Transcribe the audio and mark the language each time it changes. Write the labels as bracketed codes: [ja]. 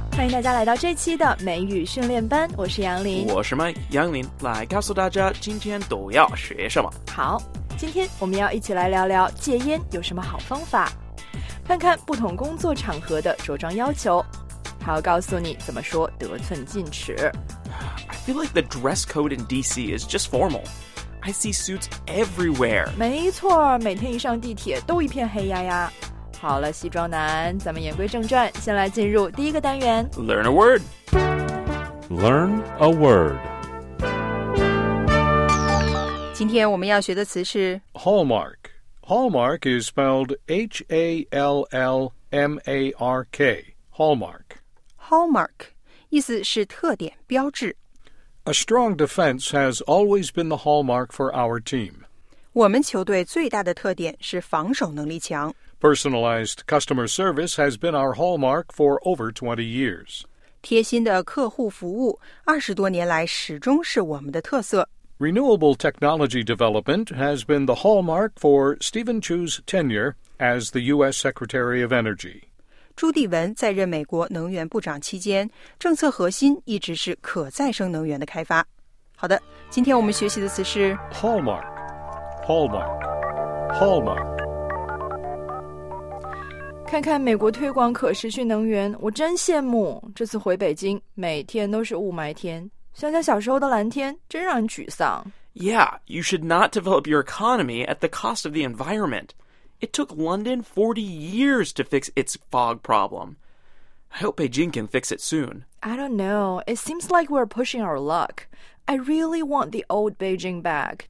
[zh] 大家来到这期的美语训练班，我是杨林，我是麦杨林，来告诉大家今天都要学什么。好，今天我们要一起来聊聊戒烟有什么好方法，看看不同工作场合的着装要求，还要告诉你怎么说得寸进尺。 [en] I feel like the dress code in DC is just formal. I see suits everywhere. [zh] 没错，每天一上地铁都一片黑压压。好了，西装男，咱们言归正传，先来进入第一个单元。 [en] Learn a word. Learn a word. [zh] 今天我们要学的词是 [en] Hallmark. Hallmark is spelled H-A-L-L-M-A-R-K. Hallmark. [zh] Hallmark. 意思是特点、标志。 [en] A strong defense has always been the hallmark for our team. [zh] 我们球队最大的特点是防守能力强。 [en] Personalized customer service has been our hallmark for over 20 years. [zh] 贴心的客户服务20多年来始终是我们的特色。 [en] Renewable technology development has been the hallmark for Stephen Chu's tenure as the U.S. Secretary of Energy. [zh] 朱棣文在任美国能源部长期间，政策核心一直是可再生能源的开发。好的，今天我们学习的词是 [en] Hallmark, Hallmark, Hallmark. [zh] 看看美国推广可持续能源，我真羡慕。这次回北京，每天都是雾霾天，想想小时候的蓝天，真让人沮丧。 [en] Yeah, you should not develop your economy at the cost of the environment. It took London 40 years to fix its fog problem. I hope Beijing can fix it soon. I don't know. It seems like we're pushing our luck. I really want the old Beijing back.